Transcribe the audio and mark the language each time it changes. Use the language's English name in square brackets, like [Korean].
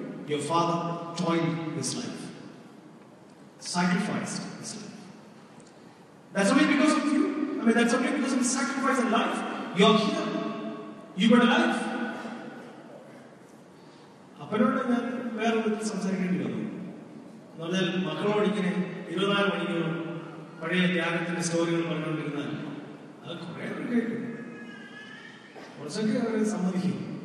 [English] Your father toiled his life, sacrificed his life. That's only because of you. I mean, that's okay because he sacrificed a life. You're here. You've got a life. [Malayalam] അപ്പനോട് ഞാൻ വേറെ ഒരു സംസാരിക്കേണ്ടി വന്നു. എന്നാൽ മക്കളോട് ഇങ്ങനെ 24 മണിക്കൂർ പഴയ ത്യാഗത്തിന്റെ സ്റ്റോറികൾ പറഞ്ഞുകൊണ്ടിരുന്നാൽ അത് കുറെ കേൾക്കും, കുറച്ചൊക്കെ അവർ സമ്മതിക്കും.